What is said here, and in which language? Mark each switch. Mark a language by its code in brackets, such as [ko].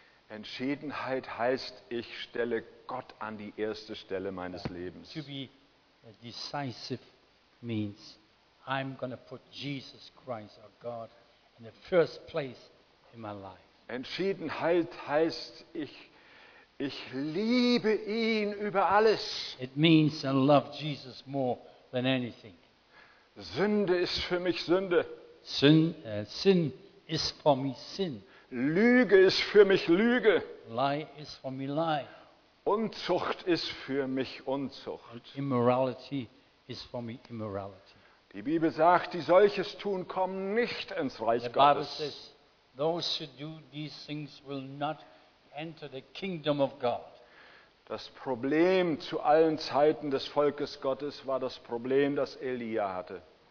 [de] Entschiedenheit heißt, ich stelle Gott an die erste Stelle meines Lebens. [en] To be decisive means I'm going to put Jesus Christ, our God, in the first place. In my life. [de] Entschiedenheit heißt, ich liebe ihn über alles. [en] It means I love Jesus more than anything. [de] Sünde ist für mich Sünde. [en] Sin is for me sin. [de] Lüge ist für mich Lüge. [en] Lie is for me lie. [de] Unzucht ist für mich Unzucht. [en] And immorality is for me immorality. [de] Die Bibel sagt, die solches tun, kommen nicht ins Reich [en] the [de] Gottes. [en] Bible says, those who do these things will not enter the kingdom of God. [de] Das Problem zu allen Zeiten des Volkes Gottes war das Problem, das Elia hatte.